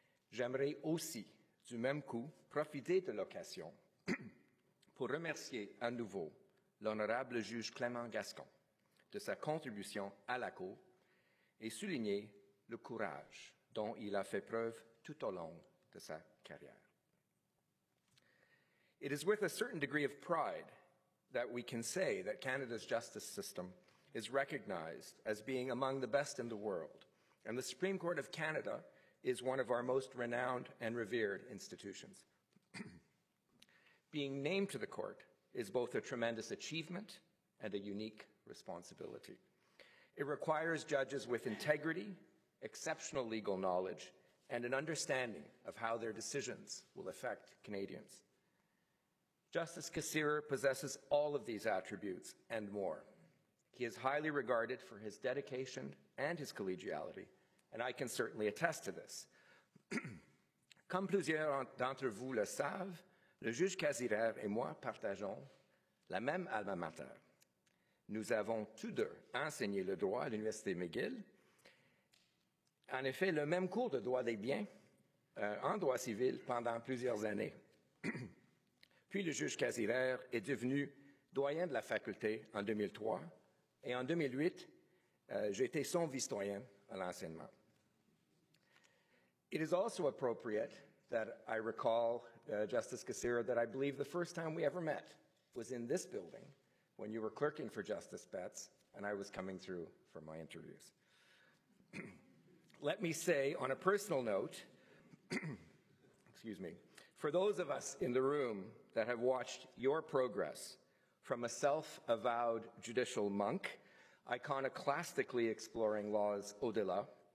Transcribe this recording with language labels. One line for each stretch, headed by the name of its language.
French: J'aimerais aussi, du même coup, profiter de l'occasion pour remercier à nouveau l'honorable juge Clément Gascon de sa contribution à la Cour et souligner le courage dont il a fait preuve tout au long de sa carrière.
English: It is with a certain degree of pride that we can say that Canada's justice system is recognized as being among the best in the world, and the Supreme Court of Canada is one of our most renowned and revered institutions. Being named to the court is both a tremendous achievement and a unique responsibility. It requires judges with integrity, exceptional legal knowledge, and an understanding of how their decisions will affect Canadians. Justice Cassirère possesses all of these attributes and more. He is highly regarded for his dedication and his collegiality, and I can certainly attest to this.
French: Comme plusieurs d'entre vous le savent, le juge Cassirère et moi partageons la même alma mater. Nous avons tous deux enseigné le droit à l'Université McGill. En effet, le même cours de droit des biens en droit civil pendant plusieurs années. Puis le juge Cassirère est devenu doyen de la faculté en 2003 et en 2008, j'ai été son vice-doyen à l'enseignement.
English: It is also appropriate that I recall, Justice Cassirère, that I believe the first time we ever met was in this building when you were clerking for Justice Betts and I was coming through for my interviews. Let me say on a personal note, excuse me, for those of us in the room that have watched your progress from a self-avowed judicial monk, iconoclastically exploring law's au-delà,